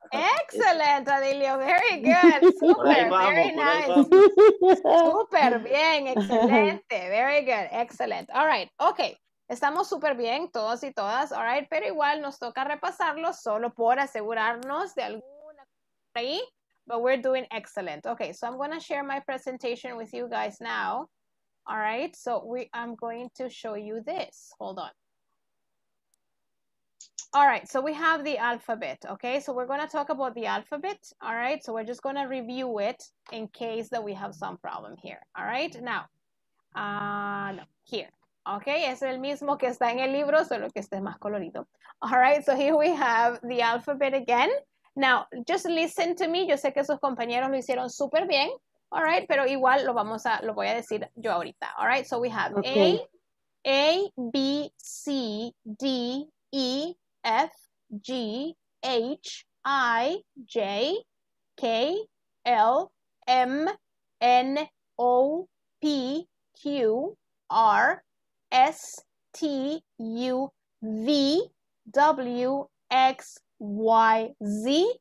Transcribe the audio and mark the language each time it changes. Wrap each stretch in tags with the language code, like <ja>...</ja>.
<en>Excelente, Adilio. Very good.</en> <es>Super, vamos,</es> <en>very nice.</en> <es>Super bien, excelente.</es> <en>Very good, excellent. All right, okay.</en> <es>Estamos súper bien, todos y todas.</es> <en>All right,</en> <es>pero igual nos toca repasarlo solo por asegurarnos de alguna cosa ahí.</es> <en>But we're doing excellent. Okay, so I'm going to share my presentation with you guys now. All right, so I'm going to show you this. Hold on. All right, so we have the alphabet, okay? So we're going to talk about the alphabet, all right? So we're just going to review it in case that we have some problem here, all right? Now, here, okay?</en> <es>Es el mismo que está en el libro, solo que este es más colorido.</es> <en>All right, so here we have the alphabet again. Now, just listen to me.</en> <es>Yo sé que sus compañeros lo hicieron súper bien,</es> <en>all right?</en> <es>Pero igual lo voy a decir yo ahorita,</es> <en>all right? So we have okay. A, B, C, D, E, F, G, H, I, J, K, L, M, N, O, P, Q, R, S, T, U, V, W, X, Y, Z.</en>